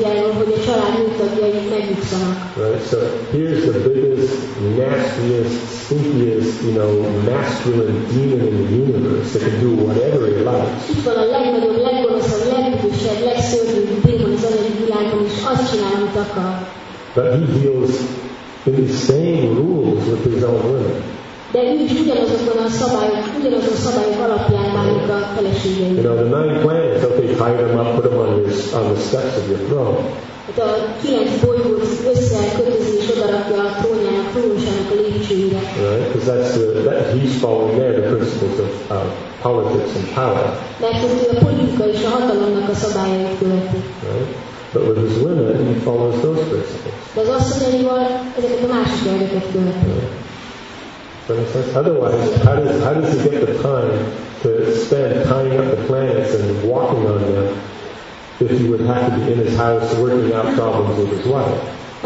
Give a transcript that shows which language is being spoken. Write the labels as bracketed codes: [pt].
[en] Right, so here's the biggest, nastiest, stinkiest, you know, masculine demon in the universe that can do whatever it likes. But he deals in the same rules with his own women. [hu] De ugyanazokon a szabályok alapján válik a feleségeink. [en] You know, the 9 planets, okay, tie them up, put them on the steps of your throne. [hu] Hát a 9 bolygót összekötözi és odarakja a trónján, a trónusának a lépcsőjére. [en] Right, because he's following there the principles of politics and power. [hu] Mert hogy a politika és a hatalomnak a szabályait követi. [en] But with his women, he follows those principles. [hu] De az asszonyaival ezeket a másik elveket követi. [en] Otherwise, how does he get the time to spend tying up the planets and walking on them if he would have to be in his house working out problems with his wife?